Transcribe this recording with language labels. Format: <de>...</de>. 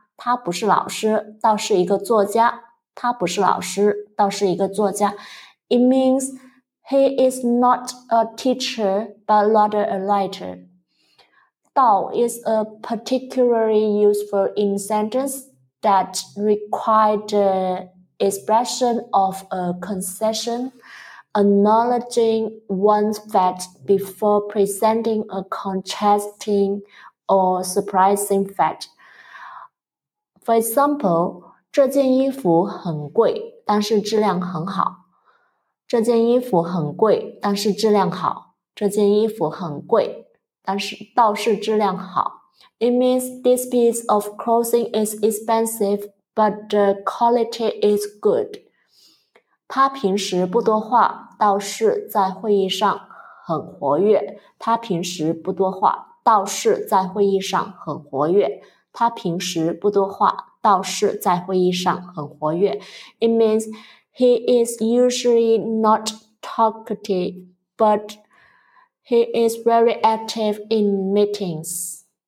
<zh>他不是老师，倒是一个作家。他不是老师，倒是一个作家。</zh> <en>It means,He is not a teacher, but rather a writer. Dao is a particularly useful in sentence that require the expression of a concession, acknowledging one's fact before presenting a contrasting or surprising fact. For example,</en> <zh>这件衣服很贵，但是质量很好。这件衣服很贵，但是质量好。这件衣服很贵，但是倒是质量好。</zh> <en>It means this piece of clothing is expensive, but the quality is good.</en> <zh>他平时不多话，倒是在会议上很活跃。他平时不多话，倒是在会议上很活跃。他平时不多话，倒是在会议上很活跃。</zh> <en>It means,He is usually not talkative, but he is very active in meetings.</en>